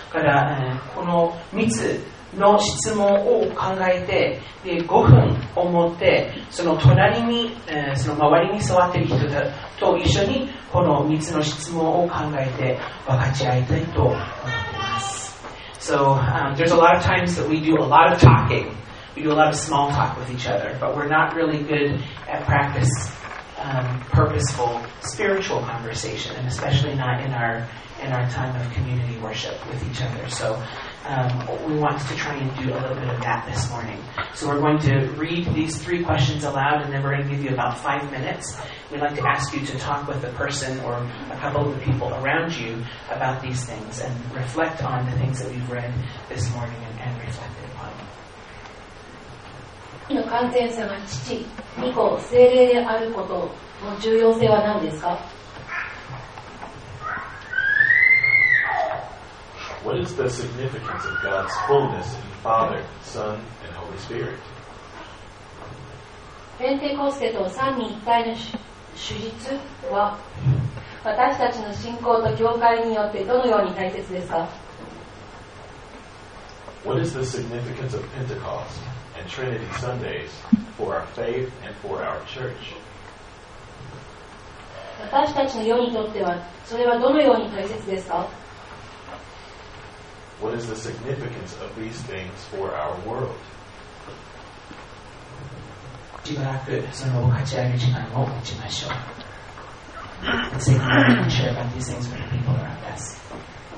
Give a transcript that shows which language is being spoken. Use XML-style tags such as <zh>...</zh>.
<ja>から、この3つの質問を考えて、で5分を持ってその隣に、その周りに座っている人たと一緒にこの3つの質問を考えて分かち合いたいと思います。</ja> <en>So, there's a lot of times that we do a lot of talking. We do a lot of small talk with each other, but we're not really good at practice, purposeful, spiritual conversation, and especially not in our time of community worship with each other. So, we want to try and do a little bit of that this morning. So we're going to read these three questions aloud, and then we're going to give you about 5 minutes. We'd like to ask you to talk with a person or a couple of the people around you about these things and reflect on the things that we've read this morning and reflect upon.</en> <ja>神の完全さが父、御子、聖霊であることの重要性は何ですか？</ja> <en>What is the significance of God's fullness in Father, Son, and Holy Spirit?</en> <ja>ペンテコステと三位一体の主日は私たちの信仰と教会によってどのように大切ですか?</ja> <en>What is the significance of Pentecost and Trinity Sundays for our faith and for our church?</en> <ja>私たちの世にとってはそれはどのように大切ですか?</ja> <en>What is the significance of these things for our world?</en> <ja>しばらくその立ち上げ時間を持ちましょう。</ja> <en>Let's take a moment and share about these things with the people around us.</en>